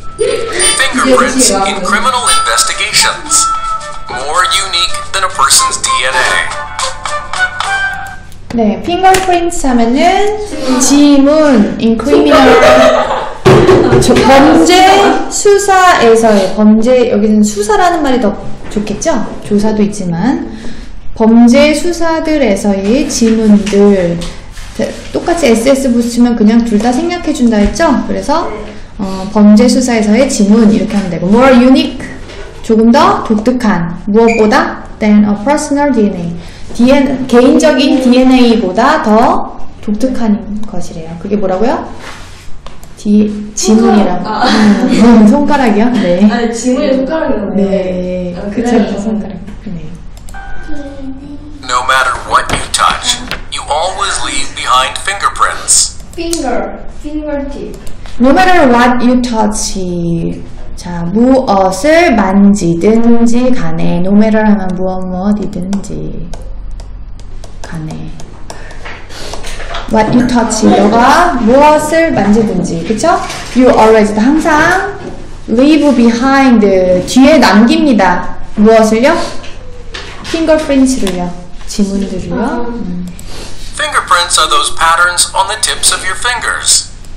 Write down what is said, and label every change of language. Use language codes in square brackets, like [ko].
[en] Fingerprints in criminal investigations. More unique than a person's DNA. [ko] 네, [en] fingerprints [ko] 하면은 지문, incriminal 범죄 수사에서의 범죄, 여기는 수사라는 말이 더 좋겠죠? 조사도 있지만 범죄 수사들에서의 지문들 똑같이 SS 붙이면 그냥 둘 다 생략해 준다 했죠? 그래서 범죄 수사에서의 지문 이렇게 하면 되고 [en] more unique [ko] 조금 더 독특한 무엇보다 [en] than a personal DNA [ko] DNA, 개인적인 DNA보다 더 독특한 것이래요. 그게 뭐라고요? 지문이라고. 손가락. 손가락이요? 네. 아니, 지문이 손가락이라고. 네. 그쵸, 그 손가락. 네. [en] No matter what you touch, you always leave behind fingerprints. Fingertip. No matter what you touch. [ko] 자, 무엇을 만지든지 간에. No matter 하면 무엇, 무엇이든지. [en] What you touch, [ko] 너가 무엇을 만지든지, 그쵸? [en] You always, [ko] 항상 [en] leave behind, [ko] 뒤에 남깁니다. 무엇을요? Fingerprints를요, 지문들을요. [en] Fingerprints are those patterns on the tips of your fingers.